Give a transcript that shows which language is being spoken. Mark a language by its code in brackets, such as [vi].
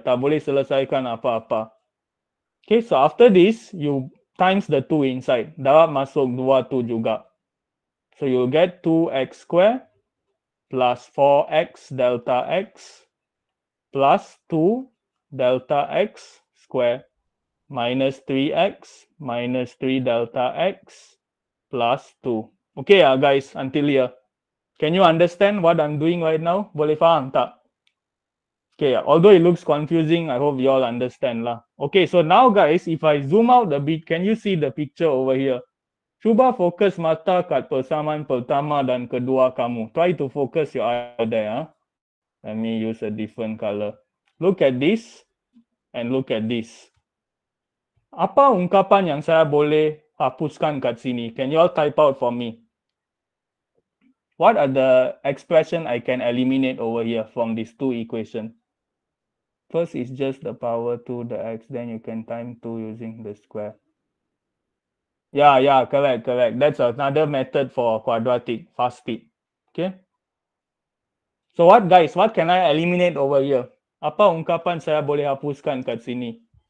[ms] Tak boleh selesaikan apa-apa. [en] Okay, so after this, you times the 2 inside. [ms] Darab masuk 2 tu juga. [en] So you'll get 2x square plus 4x delta x plus 2 delta x square minus 3x minus 3 delta x plus 2. Okay, guys, until here. Can you understand what I'm doing right now? [ms] Boleh faham tak? [en] Okay, although it looks confusing, I hope you all understand lah. Okay, so now guys, if I zoom out a bit, can you see the picture over here? [ms] Cuba fokus mata kat persamaan pertama dan kedua kamu. [en] Try to focus your eye there. Huh? Let me use a different color. Look at this and look at this. [ms] Apa ungkapan yang saya boleh hapuskan kat sini? [en] Can you all type out for me? What are the expression I can eliminate over here from these two equations? First is just the power 2, the x, then you can time 2 using the square. Yeah, yeah, correct, correct. That's another method for quadratic, fast speed. Okay? So what, guys, what can I eliminate over here? [ms] Apa ungkapan saya boleh hapuskan kat sini?